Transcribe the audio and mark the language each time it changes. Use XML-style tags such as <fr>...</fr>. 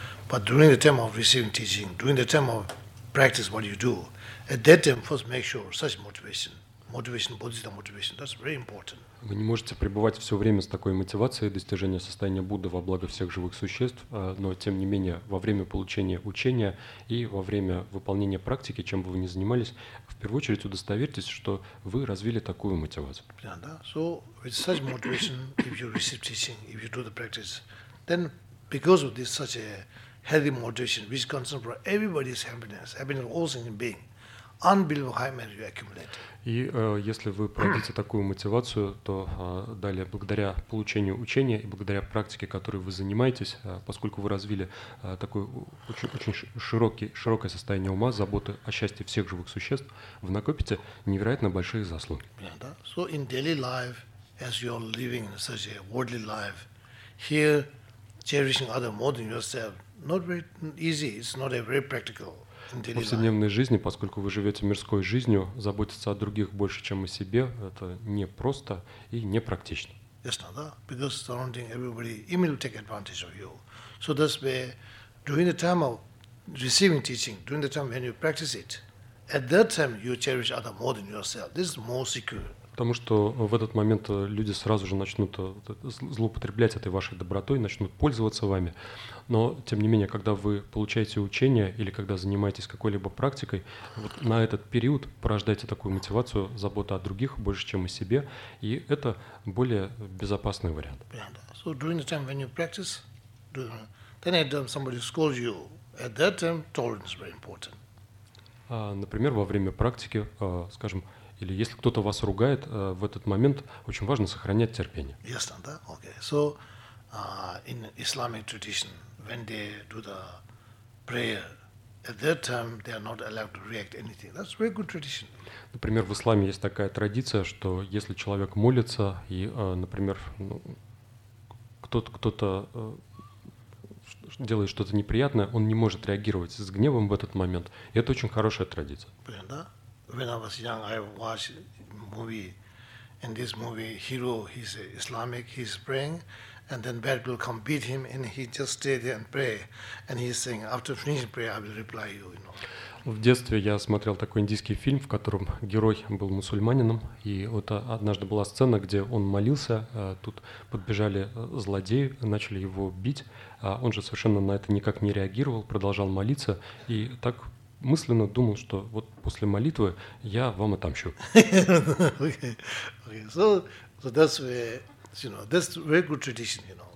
<en>But during the time of receiving teaching, during the time of practice, what you do, at that time, first make sure such motivation. Motivation, Bodhisattva motivation, that's very important.</en> <ru>Вы не можете пребывать все время с такой мотивацией достижения состояния Будды во благо всех живых существ, но тем не менее во время получения учения и во время выполнения практики, чем бы вы ни занимались, в первую очередь удостоверьтесь, что вы развили такую мотивацию. Yeah, да?</ru> <en>So with such motivation, if you receive teaching, if you do the practice, then because of this such a healthy motivation, which is concerned for everybody's happiness, happiness of all sentient beings, unbelievable high merit you accumulate.</en> <ru>И если вы проявите такую мотивацию, то далее, благодаря получению учения и благодаря практике, которой вы занимаетесь, поскольку вы развили такое очень широкое состояние ума, заботы о счастье всех живых существ, вы накопите невероятно большие заслуги. Yeah, да?</ru> <en>So in daily life, as you're living in such a worldly life, here cherishing other more than yourself, not very easy, it's not a very practical.</en> <ru>В повседневной жизни, поскольку вы живете мирской жизнью, заботиться о других больше, чем о себе, это непросто и непрактично. Yes, no, да?</ru> <en>Because surrounding everybody immediately take advantage of you. So that's where, during the time of receiving teaching, during the time when you practice it, at that time you cherish other more than yourself. This is more secure.</en> <ru>Потому что в этот момент люди сразу же начнут злоупотреблять этой вашей добротой, начнут пользоваться вами. Но, тем не менее, когда вы получаете учение или когда занимаетесь какой-либо практикой, вот на этот период порождайте такую мотивацию, заботу о других больше, чем о себе, и это более безопасный вариант.</ru> <en>So during the time when you practice, then at that time somebody scolds you, at that time tolerance is very important.</en> <ru>Например, во время практики, скажем, или если кто-то вас ругает, в этот момент очень важно сохранять терпение. Yes, no, да? Okay.</ru> <en>So in Islamic tradition, when they do the prayer, at that time they are not allowed to react anything. That's very good tradition.</en> <ru>Например, в исламе есть такая традиция, что если человек молится и, например, ну, кто-то делает что-то неприятное, он не может реагировать с гневом в этот момент. И это очень хорошая традиция. Понятно, да?</ru> <en>When I was young, I watched a movie. In this movie, hero, he's Islamic, he's praying, and then bad people come beat him, and he just stay there and pray. And he's saying, after finishing prayer, I will reply you, you know.</en> <ru>В детстве я смотрел такой индийский фильм, в котором герой был мусульманином, и вот однажды была сцена, где он молился, тут подбежали злодеи, начали его бить, а он же совершенно на это никак не реагировал, продолжал молиться, и так мысленно думал, что вот после молитвы я вам отомщу. Okay.</ru> <en>So that's where, you know, that's very good tradition, you know.</en>